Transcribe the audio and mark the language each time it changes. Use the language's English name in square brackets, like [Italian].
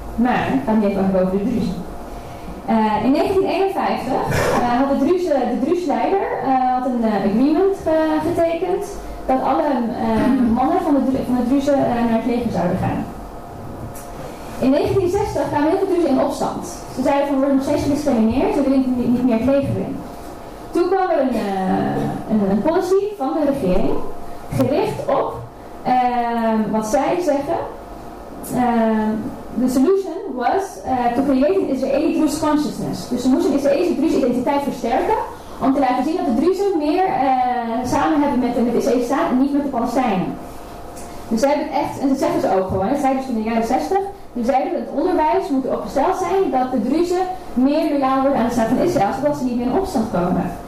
[Dutch] Maar, ik ga niet even over de Druzen. In 1951 had de Druze-leider had een agreement getekend dat alle mannen van de Druze naar het leger zouden gaan. In 1960 kwamen heel veel Druzen in opstand. Ze zeiden van, we worden nog steeds gediscrimineerd, we willen niet meer het leger in. Toen kwam er een policy van de regering, gericht op wat zij zeggen. [English] The solution was to create an Israeli Druze consciousness. [Dutch] Dus ze moesten de Israëlische Druze identiteit versterken, om te laten zien dat de Druzen meer samen hebben met de Israëlische staat en niet met de Palestijnen. Dus zij hebben echt, en dat zeggen ze ook gewoon, zij dus in de jaren 60, we zeiden dat het onderwijs moet opgesteld zijn dat de Druzen meer loyaal worden aan de staat van Israël, zodat ze niet meer in opstand komen.